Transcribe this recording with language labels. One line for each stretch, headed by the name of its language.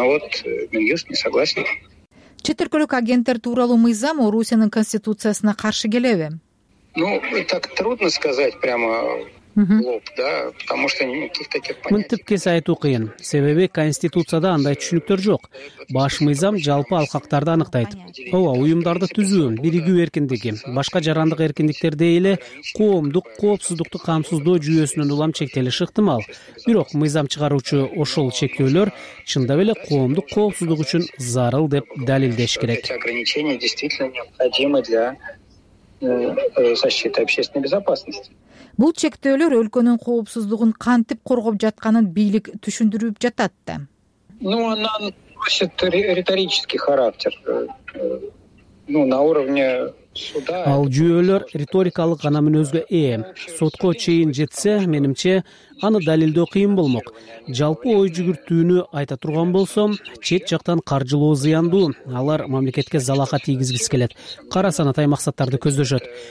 Kyrgyz: Чет өлкөлүк агенттер тууралуу мыйзам Орусиянын конституциясына каршы келеби?
Russian: Ну, так трудно сказать прямо лоб, да, потому что никаких таких понятий.
Kyrgyz: Мынтипкесе айтуу кыйын, себеби конституцияда андай түшүнүктөр жок. Баш мыйзам жалпы алкактарды аныктайт. Ооба, уюмдарды түзүү, биригүү эркиндиги, башка жарандык эркиндиктер дей эле коомдук коопсуздукту камсыздоо жүйөсүнүн улам чектелиши ыктымал. Бирок мыйзам чыгаруучу ошол чектөөлөр чындап эле коомдук коопсуздук үчүн зарыл деп далилдеш керек.
Russian: Ограничения действительно необходимы для защиты общественной безопасности.
Kyrgyz: Бул чектөөлөр өлкөнүн коопсуздугун кантип коргоп жатканын бийлик түшүндүрүп жатат да.
Russian: Ну, она носит риторический характер. Ну, на уровне
Kyrgyz: Ал жүйөлөр риторикалык гана мүнөзгө ээ. Сотко чейин жетсе, менимче, аны далилдөө кыйын болмок. Жалпы ой жүгүртүүнү айта турган болсом, чет жактан каржылоо зыяндуу. Алар мамлекетке залака тийгизгис келет. Кара санатай максаттарды көздөшөт.